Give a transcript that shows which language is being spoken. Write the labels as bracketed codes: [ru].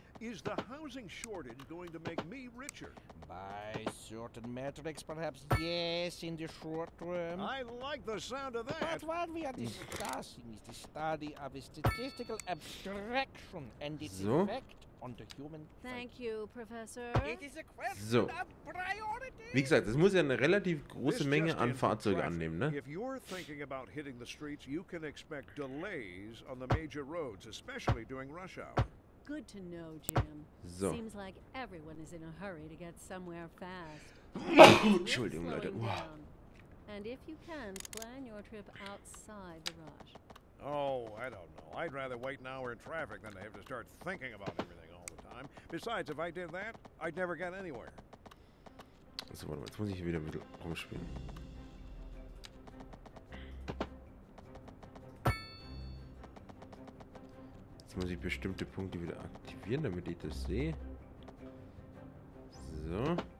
[en] Is the housing shortage going to make me richer? By certain metrics, perhaps yes, in the short term. I like the sound of that. But what we are discussing is the study of a statistical abstraction and its effect on the human. Thank you, Professor. It is a question of priority. [de] Wie gesagt, es muss ja eine relativ große Menge an Fahrzeugen annehmen, ne? [en] If you're thinking about hitting the streets, you can expect delays on the major roads, especially during rush hour. Good to know, Jim. So. Seems like everyone is in a hurry to get somewhere fast. [de] Entschuldigung, Leute. [en] And if you can, plan your trip outside the rush. Oh, I don't know. I'd rather wait an hour in traffic than to have to start thinking about everything all the time. Besides, if I did that, I'd never get anywhere. [de] So, warte mal, jetzt muss ich wieder mit rumspielen. Muss ich bestimmte Punkte wieder aktivieren, damit ich das sehe. So.